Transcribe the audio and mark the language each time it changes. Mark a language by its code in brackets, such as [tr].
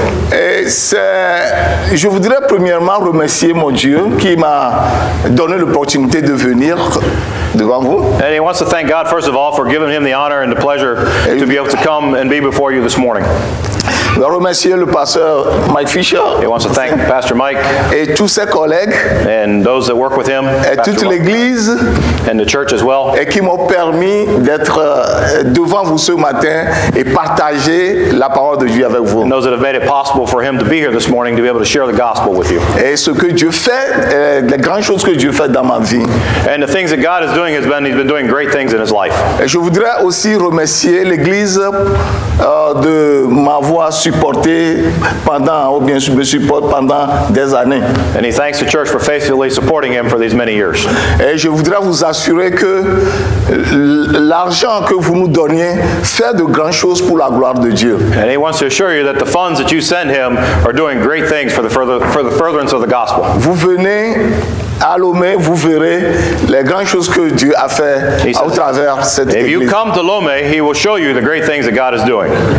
[fr] Je voudrais premièrement remercier mon Dieu qui m'a donné l'opportunité de venir devant vous. [en] And he wants to thank God, first of all, for giving him the honor and the pleasure to be able to come and be before you this morning. [fr] Je veux remercier le pasteur Mike Fisher. [en] He wants to thank Pastor Mike. [fr] Et tous ses collègues. [en] And those that work with him. [fr] Et toute l'église. [en] And the church as well. [fr] Et qui m'ont permis d'être devant vous ce matin et partager la parole de Dieu avec vous. [en] And those that have made it possible for him to be here this morning to be able to share the gospel with you. [fr] Et ce que Dieu fait, les grandes choses que Dieu fait dans ma vie. [en] And the things that God is doing has been, he's been doing great things in his life. [fr] Et je voudrais aussi remercier l'église de m'avoir supporté pendant ou bien me supporte pendant des années. [en] And he thanks the church for faithfully supporting him for these many years. [fr] Et je voudrais vous assurer que l'argent que vous nous donniez fait de grandes choses pour la gloire de Dieu. [en] And he wants to assure you that the funds that you send him are doing great things for the furtherance of the gospel. [fr] Vous venez à Lomé, vous verrez les grandes choses que Dieu a fait au travers cette église. [en] If you come to Lomé, he will show you the great things that God is doing.